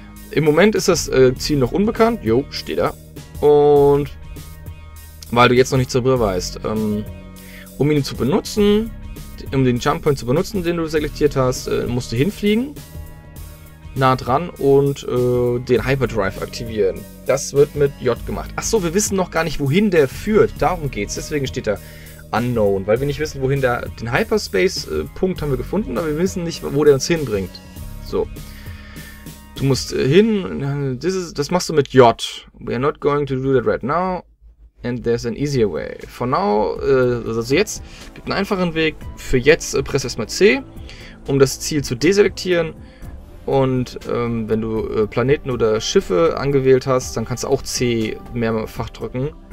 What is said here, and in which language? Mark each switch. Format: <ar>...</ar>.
<de>Im Moment ist das Ziel noch unbekannt. Jo, steht da. Und weil du jetzt noch nicht darüber weißt, um ihn zu benutzen, um den Jump Point zu benutzen, den du selektiert hast, musst du hinfliegen, nah dran und den Hyperdrive aktivieren. Das wird mit J gemacht. Achso, wir wissen noch gar nicht, wohin der führt. Darum geht's. Deswegen steht da Unknown, weil wir nicht wissen, wohin der... Den Hyperspace-Punkt haben wir gefunden, aber wir wissen nicht, wo der uns hinbringt. So. Du musst hin... Das machst du mit J.</de> <en>We are not going to do that right now. And there's an easier way. For now,</en> <de>also jetzt, gibt einen einfachen Weg. Für jetzt press erstmal C, um das Ziel zu deselektieren. Und wenn du Planeten oder Schiffe angewählt hast, dann kannst du auch C mehrfach drücken.</de>